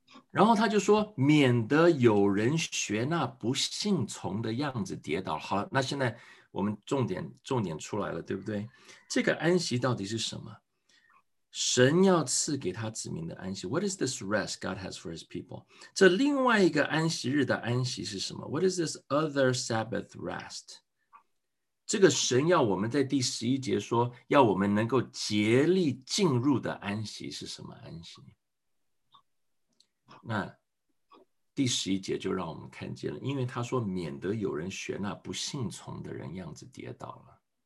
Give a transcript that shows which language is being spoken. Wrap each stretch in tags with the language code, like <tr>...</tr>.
<zh>然后他就说免得有人学那不信从的样子跌倒。好，那现在我们重点出来了，对不对？这个安息到底是什么？神要赐给他子民的安息。</zh> <en>What is this rest God has for his people?</en> <zh>这另外一个安息日的安息是什么？</zh> <en>What is this other Sabbath rest?</en> <zh>这个神要我们在第十一节说要我们能够竭力进入的安息是什么安息？那第十一节就让我们看见了，因为他说免得有人学那不信从的人样子跌倒了。</zh>